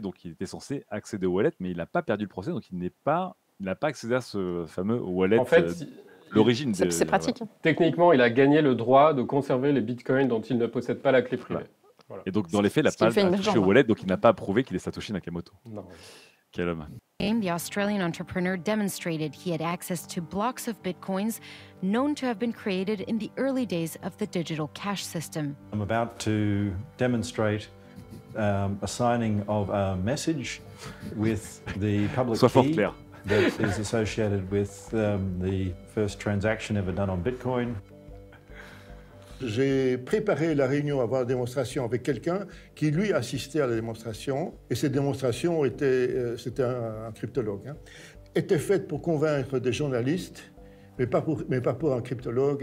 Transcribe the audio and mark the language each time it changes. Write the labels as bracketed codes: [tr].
[fr] Donc, il était censé accéder au wallet, mais il n'a pas perdu le procès. Donc, il n'a pas accédé à ce fameux wallet. En fait, l'origine, c'est pratique. Voilà. Techniquement, il a gagné le droit de conserver les bitcoins dont il ne possède pas la clé privée. Voilà. Et donc, dans les faits, il n'a pas touché au wallet, donc il n'a pas prouvé qu'il est Satoshi Nakamoto. Non. Quel homme. [en] The Australian entrepreneur demonstrated he had access to blocks of bitcoins known to have been created in the early days of the digital cash system. I'm about to demonstrate a signing of a message with the public key. [fr] Sois fort, Claire. [en] That is associated with the first transaction ever done on Bitcoin. [fr] J'ai préparé la réunion avant la démonstration avec quelqu'un qui lui assistait à la démonstration. Et cette démonstration c'était un cryptologue, était faite pour convaincre des journalistes, mais pas pour un cryptologue.